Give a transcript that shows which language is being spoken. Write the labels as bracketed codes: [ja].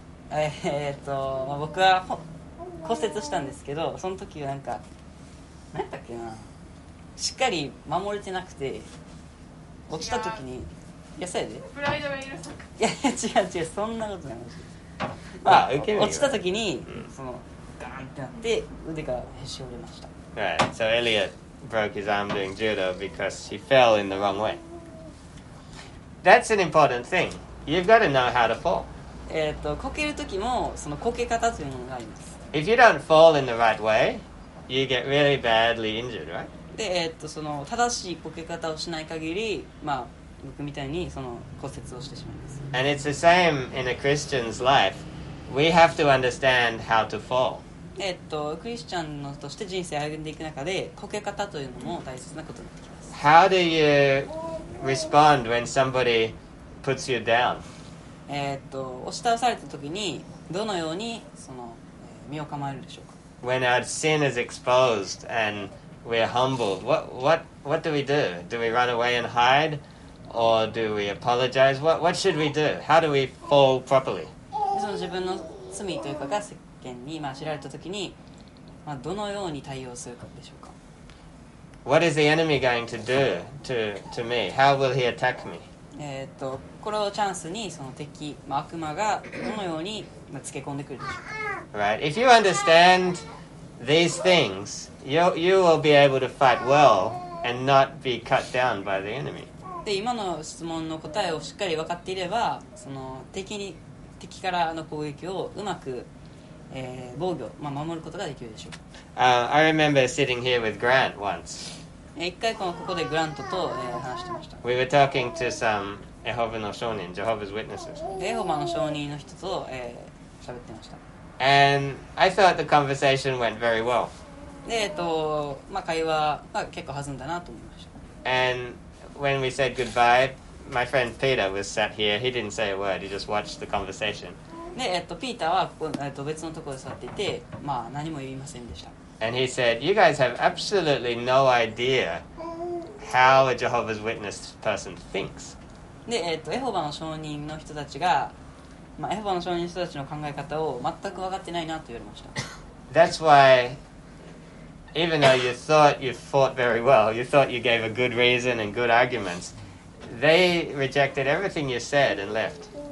[ja] まあ、僕は骨折したんですけど、その時はなんか何だっけな、しっかり守れてなくて落ちた時に、いやそうやで。プライドが許さん。いや違う違う、そんなことない。まあ、 [en] yeah, okay, [ja] 落ちた時に、mm. その。ってなって腕がへし折れました。 [en] Right, so Elliot broke his arm doing judo because he fell in the wrong way. That's an important thing. You've got to know how to fall. [ja] こけるときもそのこけ方というものがあります。 [en] If you don't fall in the right way, you get really badly injured, right? [ja] で、その正しいこけ方をしない限り、まあ僕みたいにその骨折をしてしまいます。 [en] And it's the same in a Christian's life. We have to understand how to fall. [ja] クリスチャンのとして人生を歩んでいく中でこけ方というのも大切なことになってきます。 [en] How do you respond when somebody puts you down? [ja] 押し倒された時にどのようにその身を構えるでしょうか。 [en] When our sin is exposed and we're humbled, what do we do? Do we run away and hide? Or do we apologize? What should we do? How do we fall properly? [ja] その自分の罪というかが今知られた時に、まあ、どのように対応するかでしょうか。 [en] What is the enemy going to do to me? How will he attack me? [ja] これをチャンスにその敵、まあ、悪魔がどのようにつけ込んでくるでしょうか。 [en] Right, if you understand these things, you will be able to fight well and not be cut down by the enemy. [ja] で、今の質問の答えをしっかり分かっていれば、その敵からの攻撃をうまく防御、まあ、守ることができるでしょう。 [en] I remember sitting here with Grant once. [ja] 一回ここでグラントと、話してました。 [en] We were talking to some [ja] Jehovah の証人、 [en] Jehovah's Witnesses. [ja] エホバの証人の人と、喋ってました。 [en] And I thought the conversation went very well. [ja] で、まあ、会話は結構弾んだなと思いました。 [en] And when we said goodbye, my friend Peter was sat here. He didn't say a word. He just watched the conversation. [ja] で、ピーターはここ、別のところで座っていて、まあ、何も言いませんでした。 [en] And he said, you guys have absolutely no idea how a Jehovah's Witness person thinks. [ja] で、エホバの証人の人たちが、まあ、エホバの証人の人たちの考え方を全く分かってないなと言われました。 [en] That's why, even though you thought you fought very well, you thought you gave a good reason and good arguments, they rejected everything you said and left.